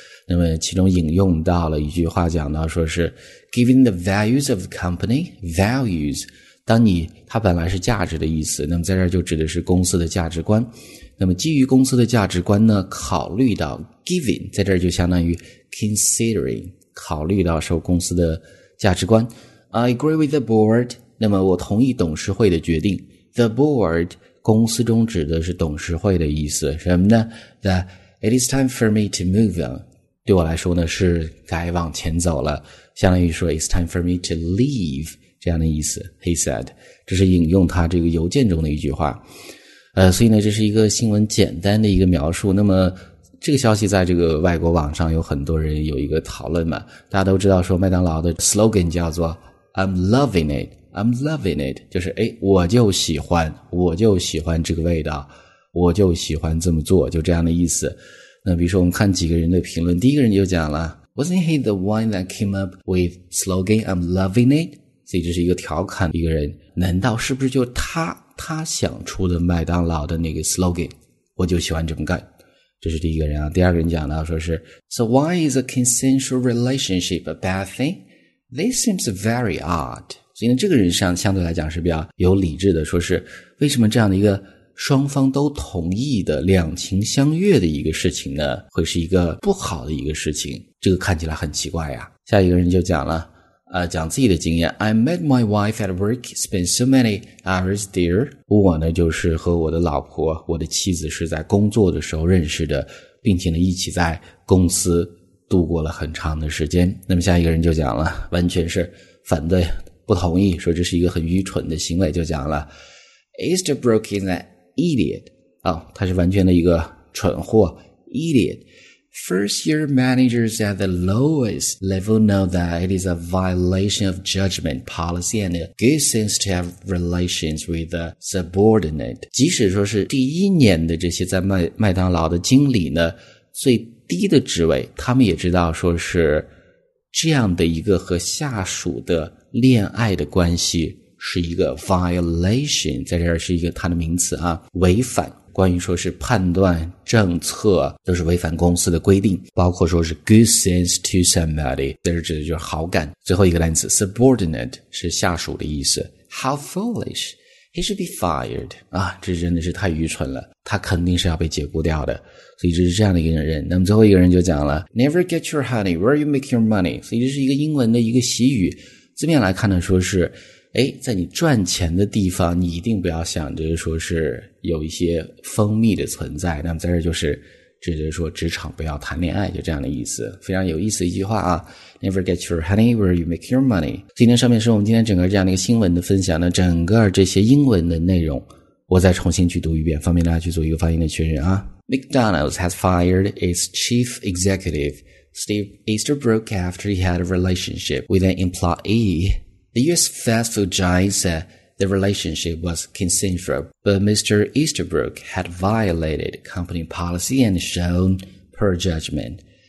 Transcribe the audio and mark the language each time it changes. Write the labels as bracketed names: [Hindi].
[Chinese] 那么其中引用到了一句话，讲到说是 [English] given the values of the company， [Chinese] values 当你它本来是价值的意思，那么在这就指的是公司的价值观，那么基于公司的价值观呢，考虑到 given 在这就相当于 considering， 考虑到受公司的价值观， [English] I agree with the board， [Chinese] 那么我同意董事会的决定， the board 公司中指的是董事会的意思，什么呢？ [English] that it is time for me to move on， [Chinese] 对我来说呢是该往前走了，相当于说 [English] It's time for me to leave [Chinese] 这样的意思， [English] He said， [Chinese] 这是引用他这个邮件中的一句话。所以呢这是一个新闻简单的一个描述。那么这个消息在这个外国网上有很多人有一个讨论嘛，大家都知道说麦当劳的 slogan 叫做 [English] I'm loving it， I'm loving it， [Chinese] 就是诶我就喜欢，我就喜欢这个味道，我就喜欢这么做，就这样的意思。那比如说我们看几个人的评论，第一个人就讲了 [English] Wasn't he the one that came up with slogan I'm loving it， [Chinese] 所以这是一个调侃，一个人难道是不是就他想出的麦当劳的那个 slogan， 我就喜欢这么干，这是第一个人啊。第二个人讲到说是 [English] So why is a consensual relationship a bad thing？ This seems very odd， [Chinese] 所以呢这个人相对来讲是比较有理智的，说是为什么这样的一个双方都同意的两情相悦的一个事情呢会是一个不好的一个事情，这个看起来很奇怪呀。下一个人就讲了讲自己的经验， [English] I met my wife at work, spent so many hours there， [Chinese] 我呢就是和我的老婆，我的妻子是在工作的时候认识的，并且呢一起在公司度过了很长的时间。那么下一个人就讲了，完全是反对，不同意，说这是一个很愚蠢的行为，就讲了 [English] Easterbrook is an idiot、 [Chinese] 哦、他是完全的一个蠢货 idiot。 [English] First year managers at the lowest level know that it is a violation of judgment policy and a good sense to have relations with the subordinate. [Chinese] 即使说是第一年的这些在麦当劳的经理呢，最低的职位，他们也知道说是这样的一个和下属的恋爱的关系是一个 violation， 在这儿是一个它的名词啊，违反。关于说是判断政策都是违反公司的规定，包括说是 good sense to somebody， 这指的就是好感。最后一个单词 subordinate 是下属的意思。 [English] How foolish! He should be fired. [Chinese] 啊，这真的是太愚蠢了，他肯定是要被解雇掉的。所以这是这样的一个人。那么最后一个人就讲了 ， [English] Never get your honey where you make your money。 [Chinese] 所以这是一个英文的一个习语，字面来看呢，说是。哎，在你赚钱的地方，你一定不要想着说是有一些蜂蜜的存在。那么在这就是指着说职场不要谈恋爱，就这样的意思。非常有意思的一句话啊 ， [English] Never get your honey where you make your money。 [Chinese] 今天上面是我们今天整个这样的一个新闻的分享呢，整个这些英文的内容，我再重新去读一遍，方便大家去做一个发音的确认啊。 [English] McDonald's has fired its chief executive Steve Easterbrook after he had a relationship with an employee. The U.S. fast food giant said the relationship was consensual, but Mr. Easterbrook had violated company policy and shown poor judgment.